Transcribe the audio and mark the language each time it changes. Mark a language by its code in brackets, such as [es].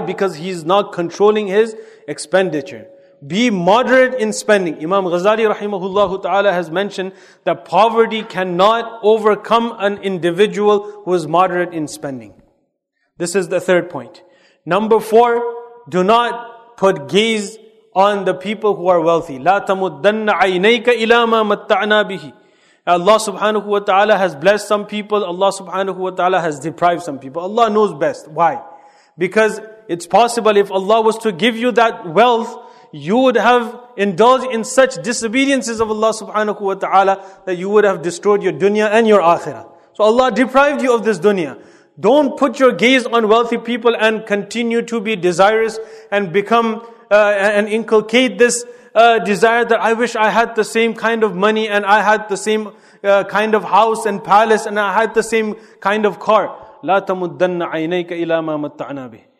[en] Because he is not controlling his expenditure. Be moderate in spending. Imam Ghazali rahimahullahu ta'ala has mentioned that poverty cannot overcome an individual who is moderate in spending. This is the third point. Number four, do not put gaze on the people who are wealthy. [ar] لا تمدن عينيك إلى ما متعنا به. [en] Allah subhanahu wa ta'ala has blessed some people. Allah subhanahu wa ta'ala has deprived some people. Allah knows best. Why? Because it's possible if Allah was to give you that wealth, you would have indulged in such disobediences of Allah subhanahu wa ta'ala that you would have destroyed your dunya and your akhirah. So Allah deprived you of this dunya. Don't put your gaze on wealthy people and continue to be desirous and become and inculcate this desire that I wish I had the same kind of money and I had the same kind of house and palace and I had the same kind of car. [ar] لا تمدن عينيك إلى ما متعنا به.